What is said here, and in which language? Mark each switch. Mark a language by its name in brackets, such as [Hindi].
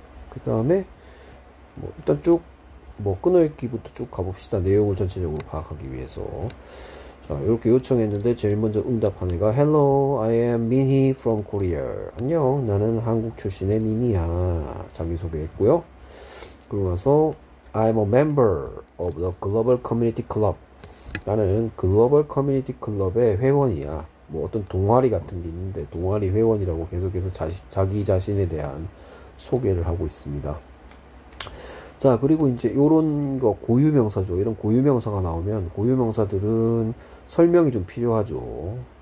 [Korean] 그 다음에 뭐 일단 쭉뭐 끊어읽기부터 쭉 가봅시다. 내용을 전체적으로 파악하기 위해서. 자, 이렇게 요청했는데 제일 먼저 응답한 애가 [English] Hello, I am Minnie from Korea. [Korean] 안녕, 나는 한국 출신의 미니야. 자기소개했고요. 그러고 나서 [English] I'm a member of the Global Community Club. [Korean] 나는 Global Community Club의 회원이야. 뭐 어떤 동아리 같은 게 있는데, 동아리 회원이라고 계속해서 자기 자신에 대한 소개를 하고 있습니다. 자, 그리고 이제 요런 거 고유명사죠. 이런 고유명사가 나오면 고유명사들은 설명이 좀 필요하죠.